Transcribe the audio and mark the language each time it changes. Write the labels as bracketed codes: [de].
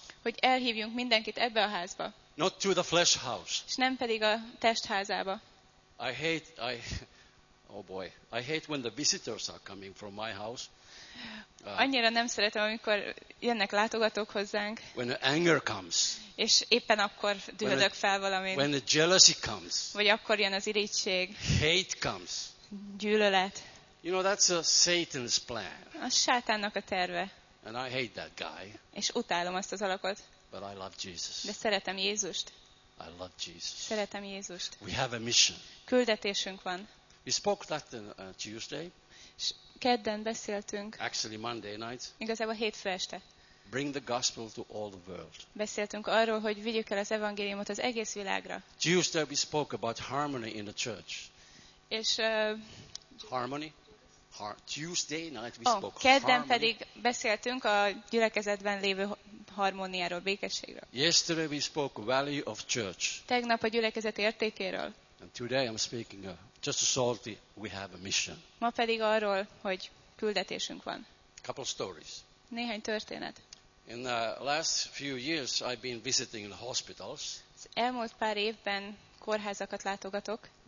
[hu] Hogy elhívjunk mindenkit ebbe a házba. [en] Not to the flesh house. [hu] És nem pedig a testházába. [en] I hate when the visitors are coming from my house. [hu] Annyira nem szeretem, amikor jönnek látogatók hozzánk. [en] When the anger comes. [hu] És éppen akkor dühödök fel valamin. [en] When the jealousy comes. [hu] Vagy akkor jön az irítség. [en] Hate comes. [hu] Gyűlölet. [en] You know that's a Satan's plan. [hu] A sátánnak a terve. [en] And I hate that guy. [hu] És utálom azt az alakot. [en] But I love Jesus. [hu] De szeretem Jézust. [en] I love Jesus. [hu] Szeretem Jézust. [en] We have a mission. [hu] Küldetésünk van. [en] We spoke that on Tuesday. [hu] Kedden beszéltünk. [en] Actually Monday night. [hu] Igazából hétfő este. [en] Bring the gospel to all the world. [hu] Beszéltünk arról, hogy vigyük el az evangéliumot az egész világra. [en] Tuesday we spoke about harmony in the church. [hu] És [en] harmony. Tuesday night we spoke. [hu] Kedden [en] harmony. [hu] Pedig beszéltünk a gyülekezetben lévő harmóniáról, békességről. [en] Yesterday we spoke value of church. [hu] Tegnap a gyülekezet értékéről. [en] And today I'm speaking just salty. We have a mission. [hu] Ma pedig arról, hogy küldetésünk van. [en] Couple stories. [hu] Néhány történet. [en] In the last few years I've been visiting the hospitals. [hu] Az elmúlt pár évben kórházakat látogatok.